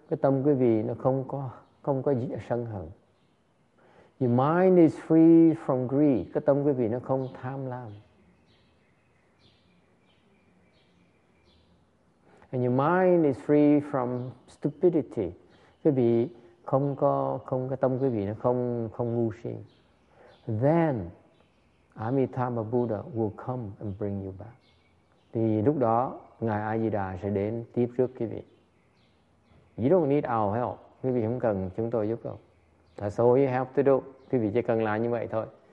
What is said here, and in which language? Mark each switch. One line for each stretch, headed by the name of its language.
Vietnamese: Cái tâm quý vị nó không có sân hận.
English: Your mind is free from greed.
Vietnamese: Cái tâm quý vị nó không tham lam.
English: And your mind is free from stupidity.
Vietnamese: Quý vị không có tâm quý vị nó không ngu si.
English: Then Amitabha Buddha will come and bring you back.
Vietnamese: Thì lúc đó Ngài A Di Đà sẽ đến tiếp rước quý vị.
English: You don't need our help.
Vietnamese: Quý vị không cần chúng tôi giúp đâu.
English: That's all you have to do.
Vietnamese: Quý vị chỉ cần làm như vậy thôi.